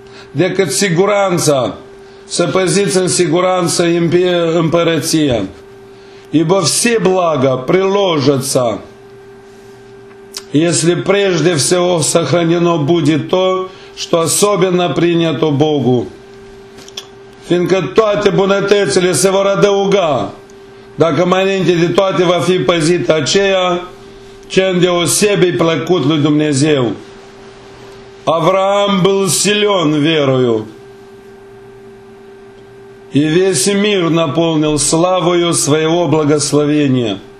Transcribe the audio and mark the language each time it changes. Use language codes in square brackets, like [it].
[ro] Decât siguranța, să păziți în siguranță împărăția, [ru] ибо все блага приложатся, если прежде всего сохранено будет то, что особенно принято Богу. [ro] Fiindcă toate bunătățile se vor adăuga, dacă mai înainte de toate va fi păzită aceea, ce îndeosebe-i plăcut lui Dumnezeu. [ru] Авраам был силен верою, и весь мир наполнил славою своего благословения.